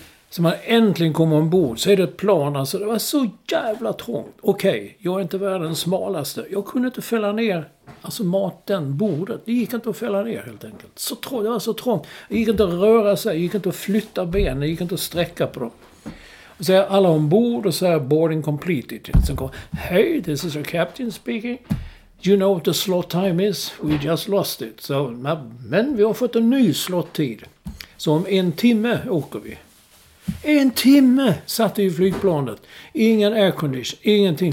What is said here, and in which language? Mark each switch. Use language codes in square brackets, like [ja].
[sv] Så man äntligen kommer ombord, så är det ett plan, alltså det var så jävla trångt. Okej, jag är inte världens smalaste. Jag kunde inte fälla ner, alltså maten, bordet, det gick inte att fälla ner helt enkelt. Så trångt, det var så trångt. Det gick inte att röra sig, det gick inte att flytta benen, det gick inte att sträcka på dem. Så är alla ombord och så är [en] boarding completed. [sv] Så går, [en] hey, this is your captain speaking. You know what the slot time is? We just lost it. [sv] So, men vi har fått en ny slottid. Så om en timme åker vi. En timme satt i flygplanet. Ingen aircondition, ingenting.